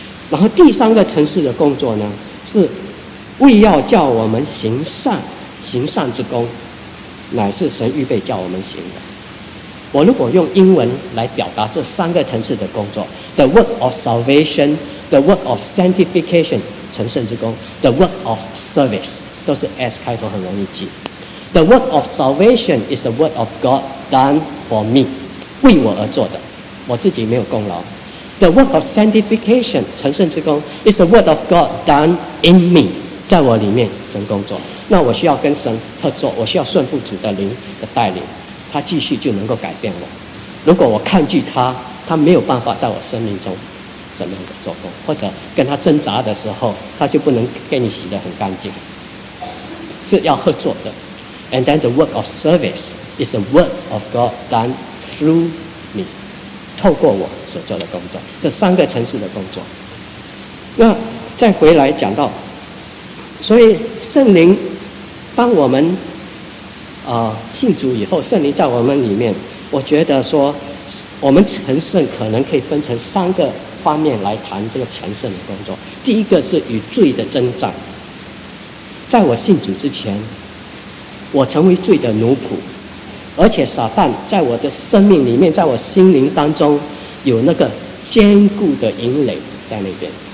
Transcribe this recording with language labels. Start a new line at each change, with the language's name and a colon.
Chinese: 然后第三个层次的工作呢，是为要叫我们行善，行善之功乃是神预备叫我们行的。我如果用英文来表达这三个层次的工作，
English: The work of salvation, The work of sanctification,
Chinese: 成圣之功，
English: The work of service,
Chinese: 都是 S 开头，很容易记。
English: The work of salvation is the work of God done for me,
Chinese: 为我而做的，我自己没有功劳。
English: The work of sanctification,
Chinese: 成圣之功
English: is the work of God done in me,
Chinese: 在我里面神工作，那我需要跟神合作，我需要顺服主的灵的带领，他继续就能够改变我。如果我抗拒他，他没有办法在我生命中怎么样的做工，或者跟他挣扎的时候，他就不能给你洗得很干净，是要合作的。
English: And then the work of service is the work of God done through me,
Chinese: 透过我所做的工作，这三个层次的工作。那再回来讲到，所以圣灵当我们信主以后，圣灵在我们里面，我觉得说我们成圣可能可以分成三个方面来谈这个成圣的工作。第一个是与罪的征战。在我信主之前，我成为罪的奴仆，而且撒旦在我的生命里面，在我心灵当中有那个坚固的营垒在那边。